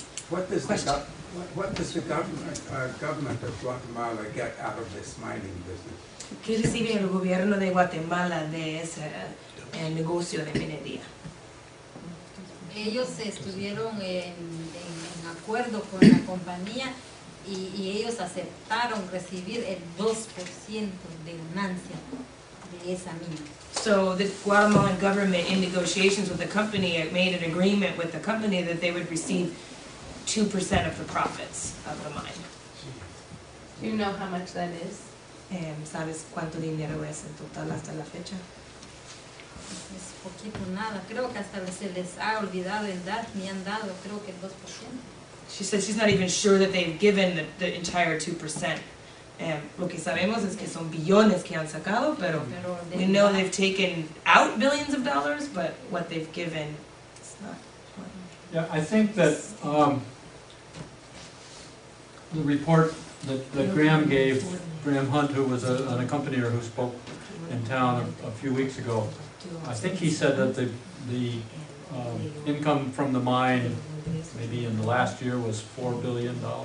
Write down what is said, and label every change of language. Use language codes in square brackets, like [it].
[en] What does the government of Guatemala get out of this mining business? [es] ¿Qué recibe el gobierno de Guatemala de ese negocio de minería? Ellos estuvieron en acuerdo con la compañía y ellos aceptaron recibir el 2% de ganancia de esa mina. [en] So the Guatemalan government, in negotiations with the company, made an agreement with the company that they would receive 2% of the profits of the mine. Do you know how much that is? [es] ¿Sabes cuánto dinero es en total hasta la fecha? Es poquito nada. Creo que hasta se les ha olvidado el dar, me han dado, creo que 2%. [en] She says she's not even sure that they've given the entire 2%. [es] Lo que sabemos es que son billones que han sacado, pero [en] we know they've taken out billions of dollars, but what they've given, it's not. Yeah, I think that the report that Graham gave, Graham Hunt, who was an accompanier who spoke in town a few weeks ago, I think he said that the income from the mine maybe in the last year was $4 billion.